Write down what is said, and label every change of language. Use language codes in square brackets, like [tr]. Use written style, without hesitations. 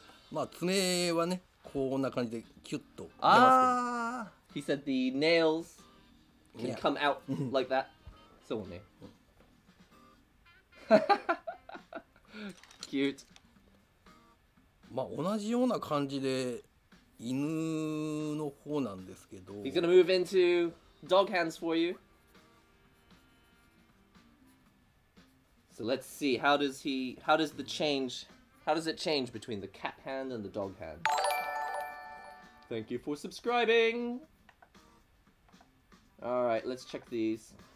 [ja] まあ爪はね、こんな感じでキュッと出ますけど。 [en] He said the nails can come out like that. [ja] そうね。 [en] Cute. [ja] まあ同じような感じで犬の方なんですけど。 [en] He's gonna move into dog hands for you. So let's see, how does it change between the cat hand and the dog hand? Thank you for subscribing! Alright, let's check these.